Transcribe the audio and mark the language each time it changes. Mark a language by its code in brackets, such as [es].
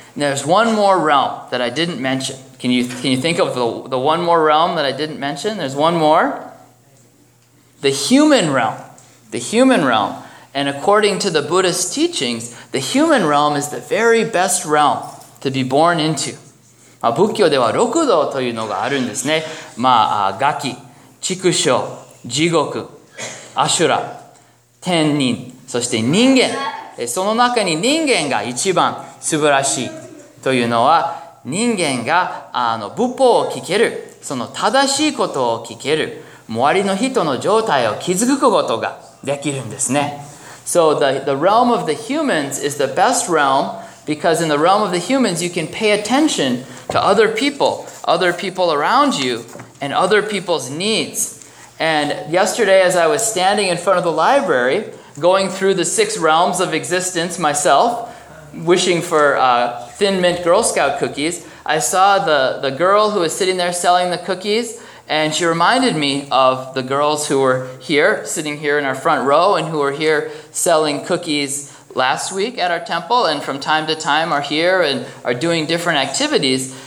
[en] And there's one more realm that I didn't mention. Can you think of the one more realm that I didn't mention? There's one more. The human realm. The human realm. And according to the Buddhist teachings, the human realm is the very best realm to be born into. [ja] Ma, 仏教では六道 というのがあるんですね. Ma, gaki, chikusho, jigoku, asura, tennin, そして人間. その中に人間が一番素晴らしいというのは、人間が仏法を聞けるその正しいことを聞ける周りの人の状態を気づくことができるんですね。 [en] So the realm of the humans is the best realm because in the realm of the humans you can pay attention to other people around you, and other people's needs. And yesterday as I was standing in front of the library, going through the six realms of existence myself, wishing for Thin Mint Girl Scout cookies, I saw the girl who was sitting there selling the cookies, and she reminded me of the girls who were here, sitting here in our front row, and who were here selling cookies last week at our temple, and from time to time are here and are doing different activities.